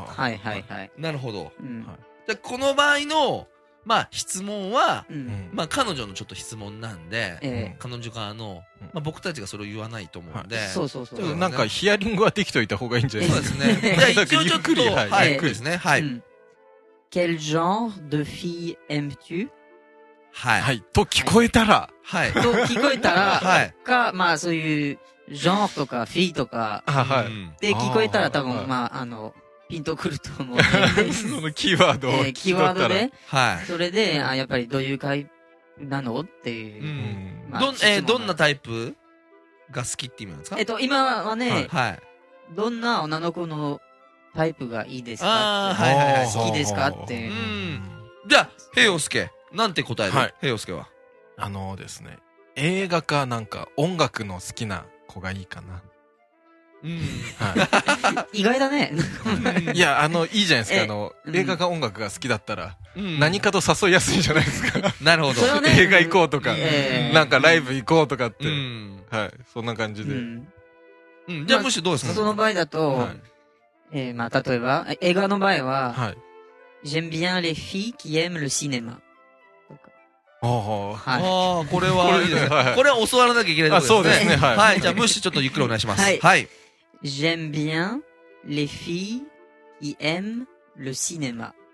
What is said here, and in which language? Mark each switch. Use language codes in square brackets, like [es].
[ja] はいはいはい。なるほど。うん、じゃあこの場合の、まあ質問は、うん、まあ彼女のちょっと質問なんで、彼女側の、まあ僕たちがそれを言わないと思うんで、そうそうそう。ちょっとなんかヒアリングはできといた方がいいんじゃないですか。そうですね。じゃあ一応ちょっと、はい、ゆっくりですね。はい。 [fr] Quel genre de fille aimes-tu? [ja] はい。はい。と聞こえたら、はい。と聞こえたら、はい。か、まあそういう、ジョンとかフィーとか、で聞こえたら多分、まあ、ピンとくると思う。そのキーワードを。キーワードで、はい。それで、やっぱりどういう回なのっていう。うん、まあ、どんなタイプが好きって意味なんですか? 今はね、はい。どんな女の子のタイプがいいですか? ああ、はいはいはい。好きですかっていう。うん。じゃあ、平洋介、なんて答える?はい。平洋介は。ですね、映画かなんか音楽の好きな、子がいいかな。うん、はい、意外だね。いや、いいじゃないですか。映画か音楽が好きだったら、何かと誘いやすいじゃないですか。なるほど。それはね、映画行こうとか、なんかライブ行こうとかって、はい、そんな感じで。じゃあ、むしろどうですか、その場合だと、はい、まあ、例えば、映画の場合は、はい、 [fr] J'aime bien les filles qui aiment le cinéma. [ja] ああ、はい、これはいいですね。これは教わらなきゃいけないところですね。あ、そうですね。はい。はい、じゃあ、ムッシュちょっとゆっくりお願いします。はい。はい。 [fr] J'aime bien les filles qui aiment le cinéma.